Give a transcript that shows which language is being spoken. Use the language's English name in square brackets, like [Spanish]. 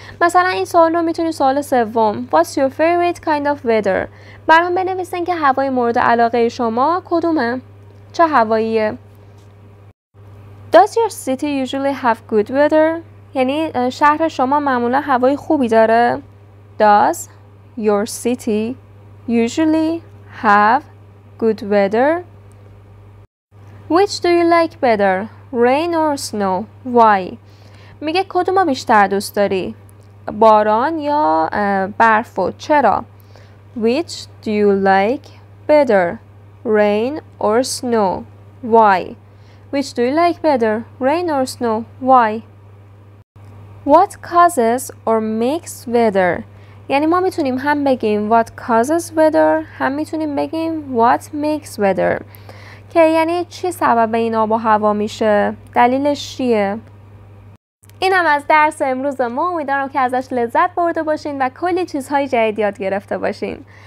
[Persian] مثلا این سوال رو میتونید سوال سوم، [English] What's your favorite kind of weather؟ [Persian] برام بنویسین که هوای مورد علاقه شما کدومه؟ چه هواییه؟ [English] Does your city usually have good weather؟ [Persian] یعنی شهر شما معمولا هوای خوبی داره؟ [English] Does your city usually have good weather؟ Which do you like better, rain or snow? Why? [Persian] میگه کدومو بیشتر دوست داری؟ باران یا برف و چرا؟ [English] Which do you like better, rain or snow? Why? Which do you like better, rain or snow? Why? What causes or makes weather? [Persian] یعنی ما میتونیم هم بگیم [English] what causes weather، [Persian] هم میتونیم بگیم [English] what makes weather. [Persian] که یعنی چی سبب این آب و هوا میشه؟ دلیلش چیه؟ اینم از درس امروز ما. امیدوارم که ازش لذت برده باشین و کلی چیزهای جدید یاد گرفته باشین.